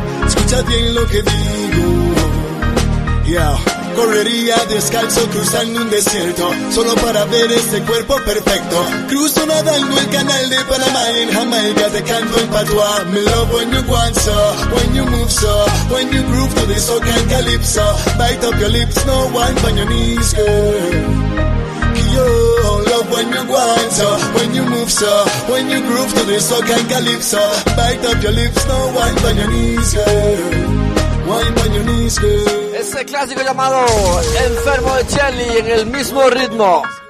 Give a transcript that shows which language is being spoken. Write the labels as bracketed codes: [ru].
[es] Escucha bien lo que digo. Yeah. Correría descalzo cruzando un desierto solo para ver ese cuerpo perfecto. Cruzo nadando el canal de Panamá en Jamaica, te canto en patuá. [en] Me love when you want so, when you move so, when you groove to this soca and calypso. Bite up your lips, no one on your knees, girl. Yo, love when you want so, when you move so, when you groove to this soca and calypso. Bite up your lips, no one on your knees, girl. Wine on your knees, girl. [es] Ese clásico llamado Enfermo de Chelly en el mismo ritmo.